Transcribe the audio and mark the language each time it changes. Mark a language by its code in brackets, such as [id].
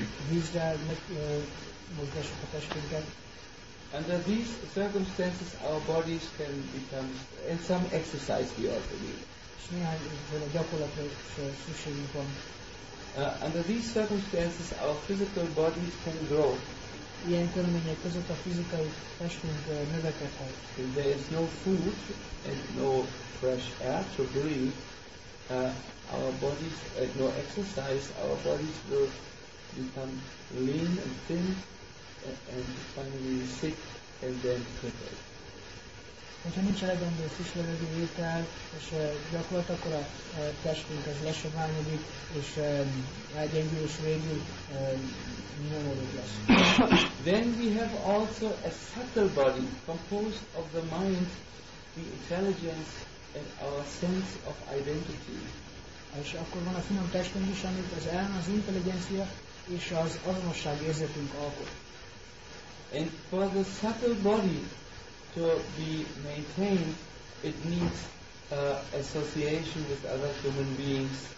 [hu] Vízre mozgassuk a testünket. [en] Under these circumstances, our bodies can become and some exercise we also need. [hu] És néhány gyakorlatra is szükségünk van. [en] Under these circumstances, our physical bodies can grow. [hu] Ilyen körülmények között a fizikai testünk növekedhet. [en] If there is no food and no fresh air to breathe, our bodies, no exercise, our bodies will become lean and thin and finally sick and then crippled. [hu] Hogyha nincs elegendő friss levegő, étel és gyakorlat, akkor a testünk ez lesoványodik és elgyengül és végül nyomorult lesz. [en] Then we have also a subtle body composed of the mind, the intelligence and our sense of identity. [hu] És akkor van a finom testünk is, amit az elme, az intelligencia és az azonosság érzetünk alkot. [en] And for the subtle body to be maintained, it needs association with other human beings.